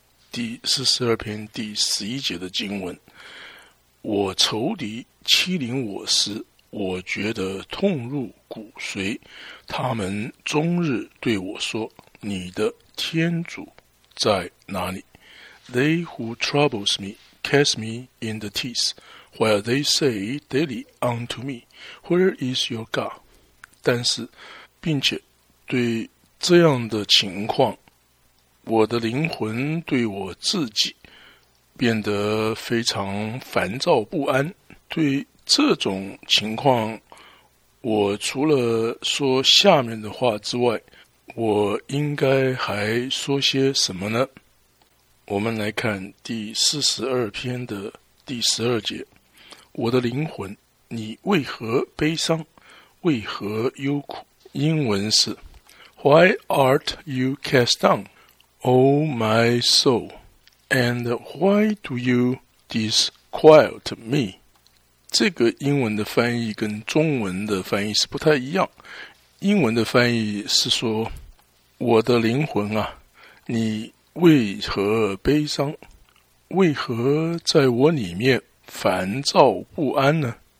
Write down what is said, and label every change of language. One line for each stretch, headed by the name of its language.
Chinese: 第42篇第11节的经文，我仇敌欺凌我时，我觉得痛入骨髓，他们终日对我说，你的天主在哪里？
English: They who troubles me cast me in the teeth, while they say daily unto me, Where is your God?
Chinese: 但是并且对这样的情况，我的灵魂对我自己变得非常烦躁不安。对这种情况，我除了说下面的话之外，我应该还说些什么呢？我们来看第42篇的第12节。我的灵魂，你为何悲伤？为何忧苦？英文是
English: Why art you cast down, O my soul? And why do you disquiet me?
Chinese: 这个英文的翻译跟中文的翻译是不太一样。英文的翻译是说，我的灵魂啊，你为何悲伤？为何在我里面烦躁不安呢？